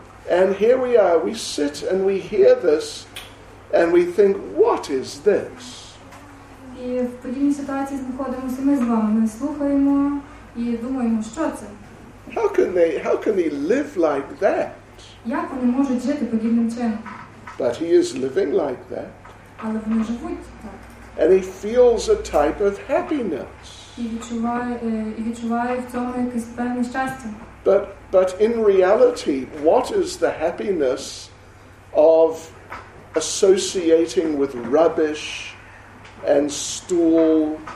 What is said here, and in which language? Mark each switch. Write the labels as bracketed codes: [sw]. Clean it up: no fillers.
[en] And here we are, we sit and we hear this and we think, what is this? [uk] І в подібній ситуації знаходимося ми з вами. Ми слухаємо і думаємо, що це? [en] How can he live like that? [uk] Як вони можуть жити подібним чином? [en] But he is living like that. [uk] Але вони живуть так. [en] And he feels a type of happiness. [uk] І відчуває в цьому якесь певне щастя. [en] But in reality, what is the happiness of associating with rubbish and stool?